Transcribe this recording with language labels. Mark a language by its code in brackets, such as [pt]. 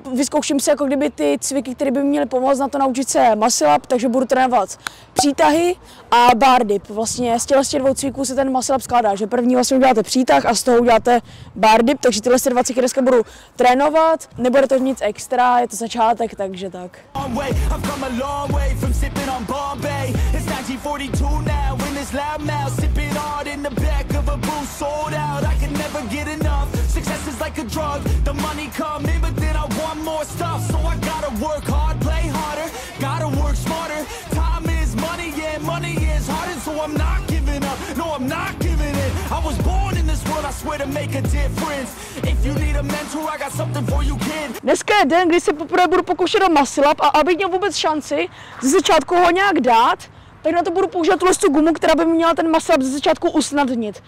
[cs] Vyzkouším si jako kdyby ty cviky, které by měly pomoct na to naučit se muscle up, takže budu trénovat přítahy a bar dip. Vlastně z těchto dvou cviků se ten muscle up skládá, že první vlastně uděláte přítah a z toho uděláte bar dip, takže tyhle dva cviky dneska budu trénovat. Nebude to nic extra, je to začátek, tak. Takže tak. [en] I've come a long way from sipping on Bombay. It's 1942 now in this loud mouth. Sipping hard in the back of a booth sold out. I can never get enough. Success is like a drug. The money come in but then I want more stuff. So I gotta work hard, play harder. Gotta work smarter. Time is money, yeah, money is harder. So I'm not giving up, no I'm not giving in. I was born in this world, I swear to make a difference. If you need a mentor, I got something for you, kid. [cs] Dneska je den, kdy se poprvé budu pokoušet o muscle up a aby měl vůbec šanci ze začátku ho nějak dát, tak na to budu používat tuhle tu gumu, která by mi měla ten muscle up ze začátku usnadnit.